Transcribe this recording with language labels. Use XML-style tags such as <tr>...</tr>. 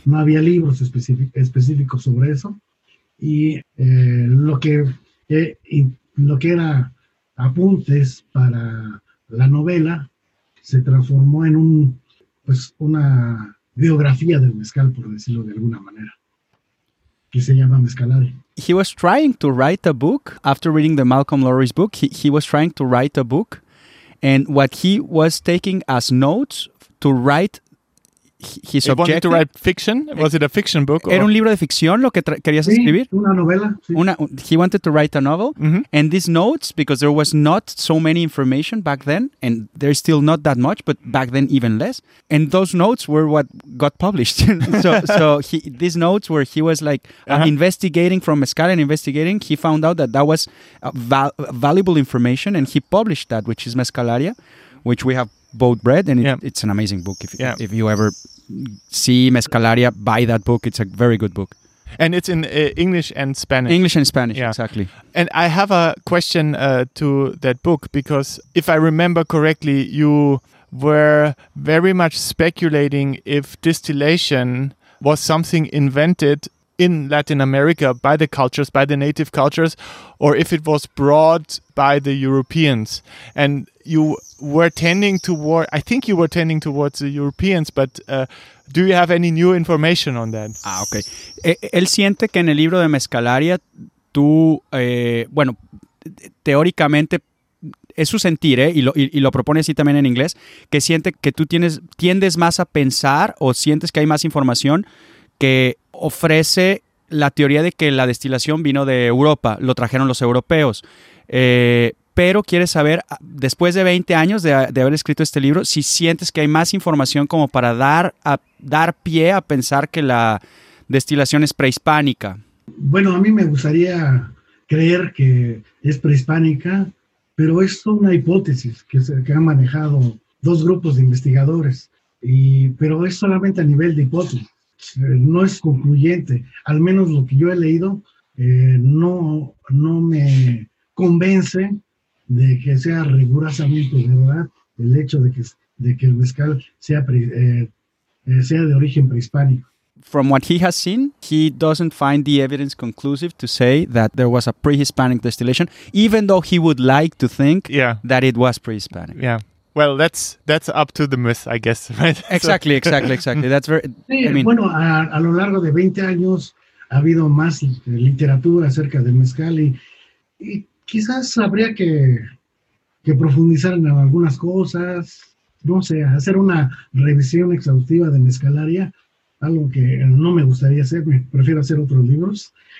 <es>No había libros específicos sobre eso. Y lo que he lo que era apuntes para la novela se transformó en un, pues, una biografía del mezcal, por decirlo de alguna manera, que se llama Mezcalare.</es> <en>He was trying to write a book after reading the Malcolm Lowry's book. He was trying to write a book, and what he was taking as notes to write his objective. Wanted to write fiction? Was it a fiction book?</en> <es>Era un libro de ficción lo que querías escribir? Sí, una novela. Sí.</es> <en>He wanted to write a novel. Mm-hmm. And these notes, because there was not so many information back then, and there's still not that much, but back then even less. And those notes were what got published. these notes were, he was like investigating from Mezcal and investigating. He found out that was valuable information, and he published that, which is Mezcalaria, which we have both read, and it's an amazing book. If you ever see Mezcalaria, buy that book. It's a very good book. And it's in English and Spanish. English and Spanish, yeah. Exactly. And I have a question to that book, because if I remember correctly, you were very much speculating if distillation was something invented in Latin America by the cultures, by the native cultures, or if it was brought by the Europeans. And you were tending toward, I think you were tending towards the Europeans, but do you have any new information on that? Ah, okay.</en> <es>Él siente que en el libro de Mezcalaria, tú, bueno, teóricamente, es su sentir, y lo propone así también en inglés, que siente que tú tiendes más a pensar o sientes que hay más información que ofrece la teoría de que la destilación vino de Europa, lo trajeron los europeos. Pero quieres saber, después de 20 años de haber escrito este libro, si sientes que hay más información como para dar pie a pensar que la destilación es prehispánica. Bueno, a mí me gustaría creer que es prehispánica, pero es una hipótesis que han manejado dos grupos de investigadores, pero es solamente a nivel de hipótesis. No es concluyente, al menos lo que yo he leído no me convence de que sea rigurosamente verdad el hecho de que el mezcal sea de origen prehispánico.</es> <en>From what he has seen, he doesn't find the evidence conclusive to say that there was a pre-Hispanic distillation, even though he would like to think that it was pre-Hispanic. Yeah. Well, that's up to the myth, I guess, right? Exactly, exactly, exactly. That's very.</en> <es>Sí,</es> <en>I mean,</en> <es>bueno, a lo largo de 20 años ha habido más literatura acerca del mezcal y quizás habría que profundizar en algunas cosas, no sé, hacer una revisión exhaustiva de Mezcalaria, algo que no me gustaría hacer, me prefiero hacer otros libros.</es>